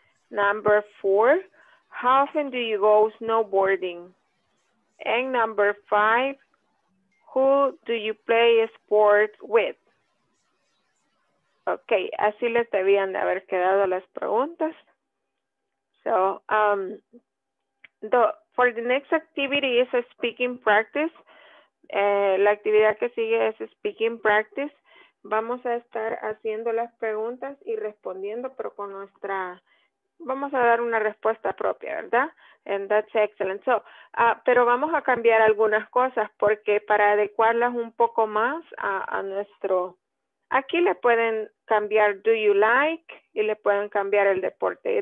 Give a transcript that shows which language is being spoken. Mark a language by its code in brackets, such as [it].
[en] Number four, how often do you go snowboarding? And number five, who do you play sports with? [es] Okay, así les debían de haber quedado las preguntas. [en] So, for the next activity is a speaking practice. [es] La actividad que sigue es speaking practice. Vamos a estar haciendo las preguntas y respondiendo, pero con nuestra, vamos a dar una respuesta propia, ¿verdad? [en] And that's excellent. So, [es] pero vamos a cambiar algunas cosas porque para adecuarlas un poco más a nuestro, aquí le pueden cambiar do you like y le pueden cambiar el deporte.